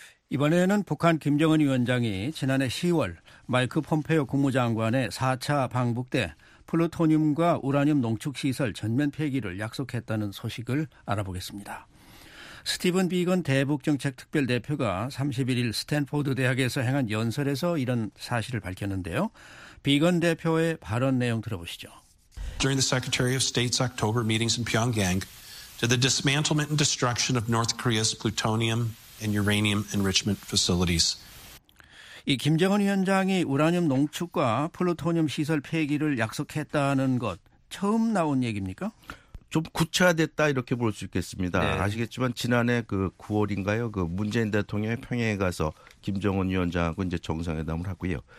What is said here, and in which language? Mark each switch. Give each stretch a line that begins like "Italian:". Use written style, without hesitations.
Korean: 이번에는 북한 김정은 위원장이 지난해 10월 마이크 폼페이오 국무장관의 4차 방북 때 플루토늄과 우라늄 농축시설 전면 폐기를 약속했다는 소식을 알아보겠습니다. 스티븐 비건 대북정책특별대표가 31일 스탠포드 대학에서 행한 연설에서 이런 사실을 밝혔는데요. 비건 대표의 발언 내용 들어보시죠.
English: During the Secretary of State's October meetings in Pyongyang, to the dismantlement and destruction of North Korea's plutonium and uranium enrichment facilities.
Korean: 이 김정은 위원장이 우라늄 농축과 플루토늄 시설 폐기를 약속했다는 것 처음 나온 얘기입니까? 좀 구체화됐다 이렇게 볼 수 있겠습니다. 네. 아시겠지만 지난해 그 9월인가요? 그 문재인 대통령이 평양에 가서 김정은 위원장하고 이제 정상회담을 하고요.